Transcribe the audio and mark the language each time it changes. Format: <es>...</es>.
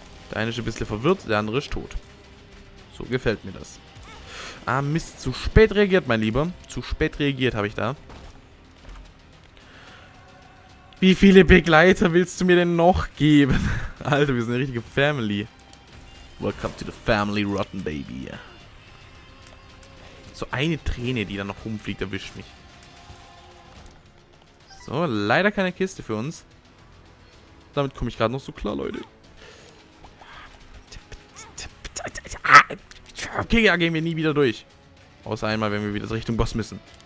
<de>Der eine ist ein bisschen verwirrt, der andere ist tot. So gefällt mir das. Ah, Mist, zu spät reagiert, mein Lieber. Zu spät reagiert habe ich da. Wie viele Begleiter willst du mir denn noch geben? Alter, wir sind eine richtige Family.</de> <en>Welcome to the family, rotten baby.</en> <de>So eine Träne, die da noch rumfliegt, erwischt mich. So, leider keine Kiste für uns. Damit komme ich gerade noch so klar, Leute. Okay, ja, gehen wir nie wieder durch. Außer einmal, wenn wir wieder Richtung Boss müssen.</de>